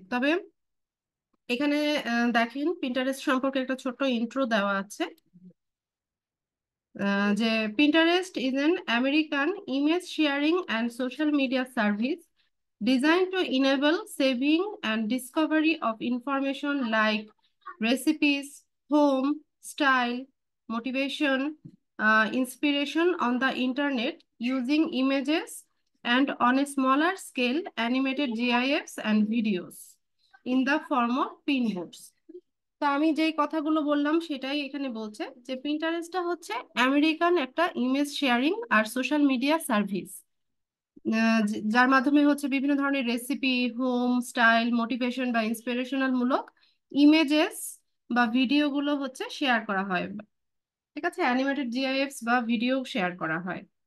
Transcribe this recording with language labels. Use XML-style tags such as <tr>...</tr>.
<bn>তবে এখানে দেখেন, পিন্টারেস্ট সম্পর্কে একটা ছোট্ট ইন্ট্রো দেওয়া আছে যে</bn> <en>Pinterest is an American image sharing and social media service design to enable saving and discovery of information like recipes, home, style, motivation, inspiration on the internet using images and on a smaller scale animated GIFs and videos in the form of pinboards.</en> <bn>তো আমি যে কথাগুলো বললাম সেটাই এখানে বলছে যে পিন্টারেস্টটা হচ্ছে আমেরিকান একটা ইমেজ শেয়ারিং আর সোশ্যাল মিডিয়া সার্ভিস, যার মাধ্যমে হচ্ছে বিভিন্ন ধরনের রেসিপি, হোম, স্টাইল, মোটিভেশন বা ইন্সপিরেশনাল মূলক ইমেজেস বা ভিডিওগুলো হচ্ছে শেয়ার করা হয়, ঠিক আছে, অ্যানিমেটেড জিআইএফস বা ভিডিও শেয়ার করা হয়।</bn>